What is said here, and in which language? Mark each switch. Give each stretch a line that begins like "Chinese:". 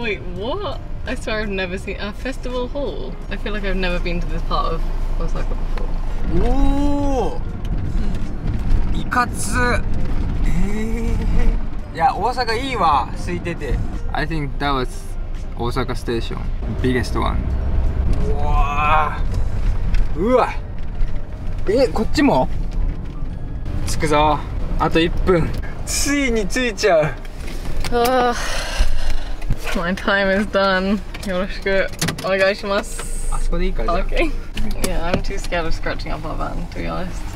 English: Wait, what? I swear I've never seen a festival hall. I feel like I've never been to this part of Osaka before.
Japanese: おー、いかつ。いや、大阪いいわ、空いてて。
English: I think that was Osaka station, biggest one.
Japanese: わー、うわ。え、こっちも？着くぞ。あと1分。ついに着いちゃう。
English: Oh, my time is done.
Japanese: よろしくお願いします。あそこでいいかじゃ
English: あ。Okay. Yeah, I'm too scared of scratching up our van, to be honest.